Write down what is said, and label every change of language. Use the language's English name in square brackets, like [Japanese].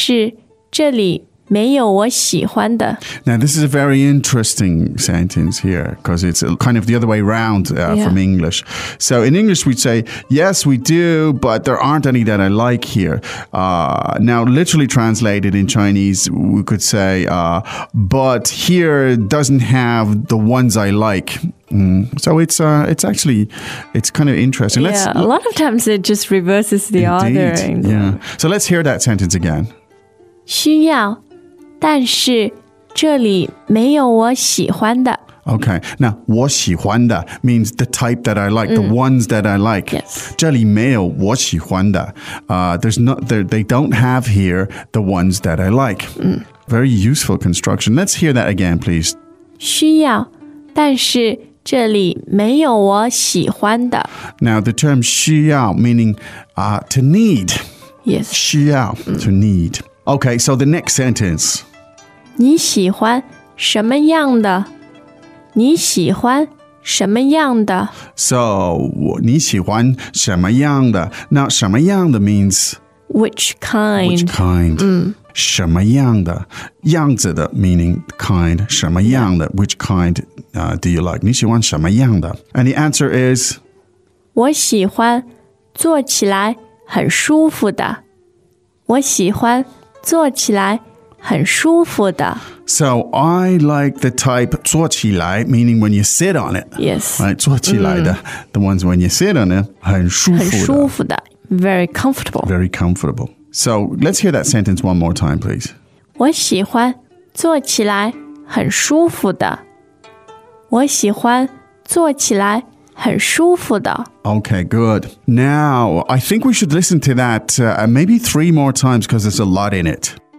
[Chinese] 需要,但是这里没有我喜欢的. [English] Now, this is a very interesting sentence here because it's kind of the other way around from English. So, in English, we'd say, yes, we do, but there aren't any that I like here. Now, literally translated in Chinese, we could say, but here doesn't have the ones I like. So it's actually, it's kind of interesting. Yeah, a lot of times it just reverses the order. Yeah. So let's hear that sentence again. [Chinese] 需要，但是这里没有我喜欢的。 [English] Okay, now, [Chinese] 我喜欢的 [English] means the type that I like, the ones that I like. Yes. [Chinese] 这里没有我喜欢的。 [English] They don't have here the ones that I like. Very useful construction. Let's hear that again, please. [Chinese] 需要，但是这里没有我喜欢的。 [English] Now, the term 需要 meaning to need. Yes. 需要 to need. Okay, so the next sentence. [Chinese] 你喜欢什么样的？你喜欢什么样的? So, 你喜欢什么样的?Now, 什么样的 means? [English] Which kind? Which kind? [Chinese] 什么样的?样子的 [English] meaning kind. 什么样的? Which kind do you like? [Chinese] 你喜欢什么样的? [English] And the answer is? [Chinese] 我喜欢坐起来很舒服的。我喜欢坐起来很舒服的。 [English] So I like the type 坐起来 meaning when you sit on it. Yes. Right, 坐起来的 the ones when you sit on it, [Chinese] 很舒服的。很舒服的, [English] very comfortable. Very comfortable. So let's hear that sentence one more time, please. [Chinese] 我喜欢坐起来很舒服的。我喜欢坐起来很舒服的。 [English] Okay, good. Now, I think we should listen to that maybe three more times because there's a lot in it.